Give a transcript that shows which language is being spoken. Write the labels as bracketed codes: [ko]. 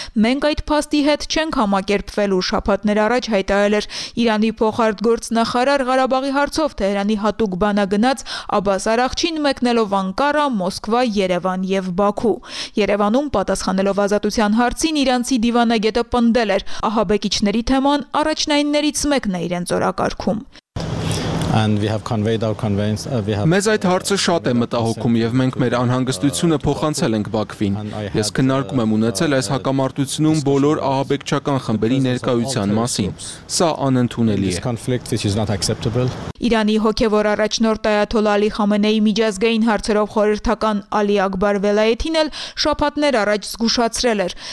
[hy] «Մենք այդ փաստի հետ չենք համակերպվել»-ու շաբաթներ առաջ հայտարարել էր Իրանի փոխարտգործնախարար Ղարաբաղի հարցով Թեհրանի հատուկ բանագնաց Աբաս Արաղչին, մեկնելով Անկարա, Մոսկվա, Երևան և Բաքու։ Երևանում պատասխանելով ազատության հարցին իրանցի դիվանագետը պնդել էր. «Ահաբեկիչների թեման առաջնայիններից մեկն է իրենց օրակարգում»։ [en] And we have conveyed our conveyance. [hy] Մեզ այդ հարցը շատ է մտահոգում եւ մենք մեր անհանգստությունը փոխանցել ենք Բաքվին։ Ես քննարկում եմ ունեցել այս հակամարտությունում բոլոր ահաբեկչական խմբերի ներկայության մասին։ Սա անընդունելի է։ Իրանի հոգևոր առաջնորդ Այաթոլլահ Ալի Խամենեի միջազգային հարցերով խորհրդական Ալի Ակբար Վելայեթին էլ շաբաթներ առաջ զգուշացրել էր.